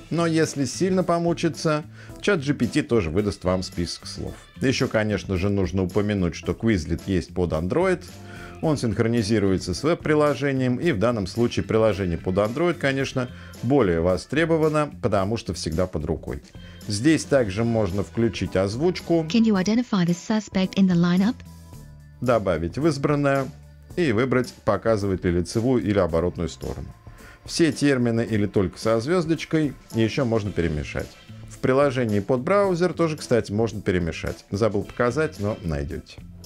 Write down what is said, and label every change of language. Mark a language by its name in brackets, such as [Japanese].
[Russian] Но если сильно помучиться, ChatGPT тоже выдаст вам список слов. Еще, конечно же, нужно упомянуть, что Quizlet есть под Android, он синхронизируется с веб-приложением, и в данном случае приложение под Android, конечно, более востребовано, потому что всегда под рукой. Здесь также можно включить озвучку, [English] Can you identify the suspect in the lineup? [Russian] Добавить в избранное и выбрать, показывать ли лицевую или оборотную сторону. Все термины или только со звездочкой еще можно перемешать. В приложении под браузер тоже, кстати, можно перемешать. Забыл показать, но найдете.